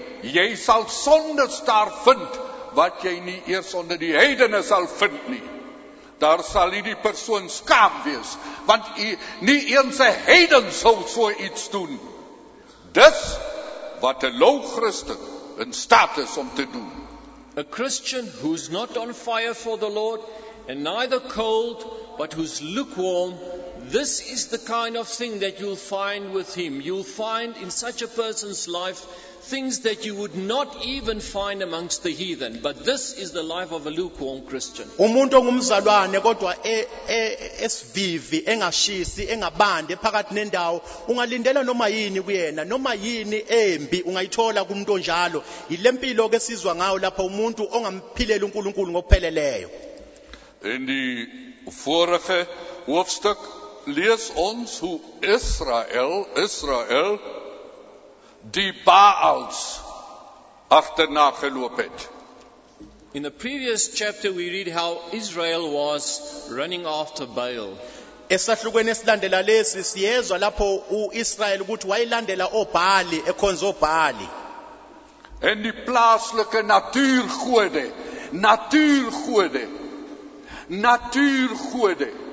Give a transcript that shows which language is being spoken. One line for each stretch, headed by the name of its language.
Afrikaans: Jy sal sonde daar vind wat jy nie eers onder die heidene sal vind nie. Daar sal jy die persoon skaam wees, want jy nie eens 'n heiden sou so iets doen. Dis wat 'n lou Christen in staat is om te doen.
English: A Christian who's not on fire for the Lord and neither cold but who's lukewarm, this is the kind of thing that you'll find with him. You'll find in such a person's life things that you would not even find amongst the heathen. But this is the life of a lukewarm Christian.
Zulu: Umuntu ongumzalwane kodwa esvv engashisi engabande phakathi nendawo, ungalindela noma yini kuyena, noma yini embi ungayithola kumuntu onjalo. Yilempilo ke sizwa ngayo lapha, umuntu ongamphilela uNkulunkulu ngokupheleleyo.
Afrikaans: In die vorige hoofstuk lees ons hoe Israel die Baals agterna geloop het.
English: In the previous chapter we read how Israel was running after Baal.
Zulu: Esahlukweni esilandela lesi siyezwa lapho uIsrael ukuthi wayilandela oBhali, ekhonza oBhali.
Afrikaans: En die plaaslike natuurgode, natuurgode.